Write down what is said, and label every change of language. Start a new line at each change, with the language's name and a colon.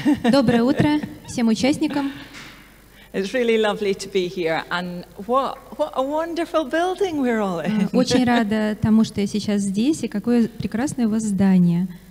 Russian: Доброе утро всем участникам.
English: It's really lovely to be here, and what a wonderful building we're all in.
Russian: Очень рада тому, что я сейчас здесь, и какое прекрасное у вас здание.